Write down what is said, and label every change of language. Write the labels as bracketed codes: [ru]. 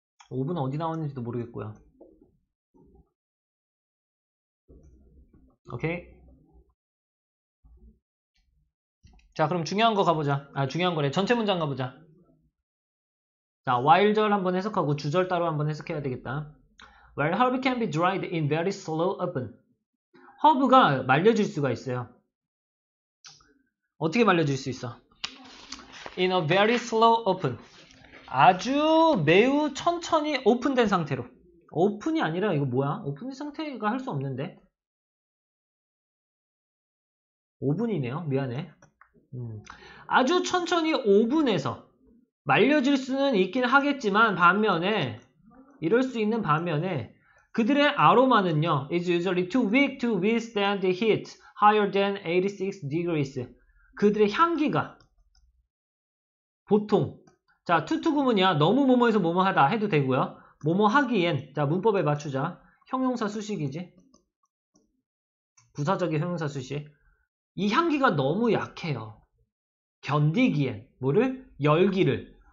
[ko] 오븐 어디 나왔는지도 모르겠고요. 오케이. 자, 그럼 중요한 거 가보자. 아, 중요한 거래. 전체 문장 가보자. 자, while 절 한번 해석하고 주절 따로 한번 해석해야 되겠다. [en] While herb can be dried in very slow oven. [ko] 허브가 말려질 수가 있어요. 어떻게 말려질 수 있어? [en] In a very slow oven. [ko] 아주 매우 천천히 오픈된 상태로. 오픈이 아니라 이거 뭐야? 오픈된 상태가 할 수 없는데. 오븐이네요. 미안해. 아주 천천히 오븐에서 말려질 수는 있긴 하겠지만 반면에 이럴 수 있는 반면에 그들의 아로마는요. [en] is usually too weak to withstand the heat higher than 86 degrees. [ko] 그들의 향기가 보통 자, 투투구문이야. 너무 뭐뭐해서 뭐뭐하다 해도 되고요. 뭐뭐하기엔 자, 문법에 맞추자. 형용사 수식이지. 부사적인 형용사 수식. 이 향기가 너무 약해요. 견디기엔 뭐를? 열기를.